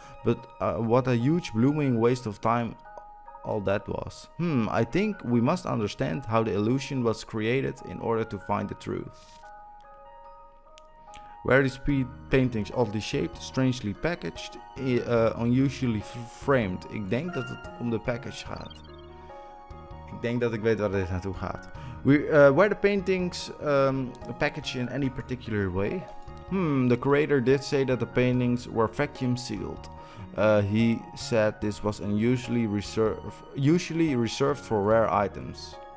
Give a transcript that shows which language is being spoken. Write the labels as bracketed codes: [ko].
[en] But what a huge blooming waste of time all that was. I think we must understand how the illusion was created in order to find the truth. Where these paintings, oddly shaped, strangely packaged, unusually framed. [nl] Ik denk dat het om de package gaat. Ik denk dat ik weet waar dit naartoe gaat. [en] Were the paintings packaged in any particular way? The curator did say that the paintings were vacuum sealed. He said this was usually reserved for rare items.